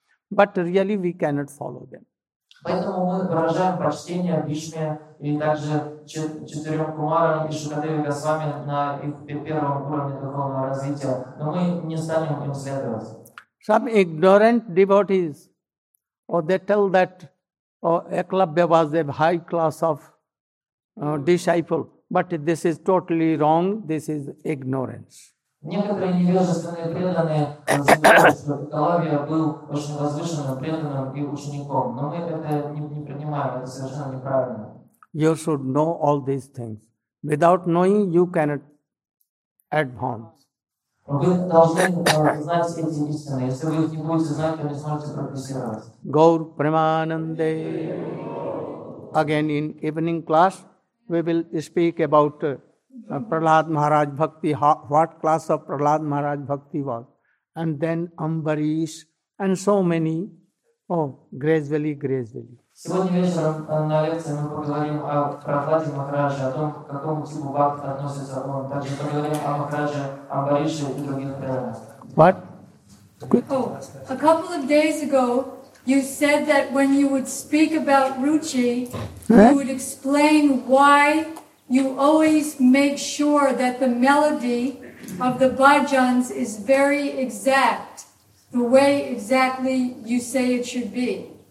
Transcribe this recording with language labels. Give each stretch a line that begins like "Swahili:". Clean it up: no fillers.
English: But really we cannot follow them.
Russian: Поэтому мы выражаем почтение Бишме и также четырем кумарам и Шукадеве Госвами на их первом уровне духовного развития, но мы не станем им следовать.
English: Some ignorant devotees, or they tell that Eklavya was a high class of disciple, but this is totally wrong, this is ignorance.
Russian: Некоторые невежественные преданные называют, что Калавья был очень возвышенным преданным и учеником. Но мы это не принимаем, это совершенно неправильно.
English: You should know all these things. Without knowing, you cannot advance.
Russian: Вы должны знать все эти истины. Если вы их не будете знать, то не сможете прогрессировать.
Bangla: Гаур Премананде.
English: Again, in evening class, we will speak about Prahlad Maharaj Bhakti, what class of Prahlad Maharaj Bhakti was, and then Ambarish, and so many. Oh, gradually, gradually.
Russian: Сегодня вечером на лекции мы поговорим о Прахладе Махараджа, о том, к какому типу бхакти относится он. Также поговорим о Махараджа, Амбарише и других преданных.
English: What? A couple of days ago, you said that when you would speak about Ruchi, you would explain why you always make sure that the melody of the bhajans is very exact, the way exactly you say it should be.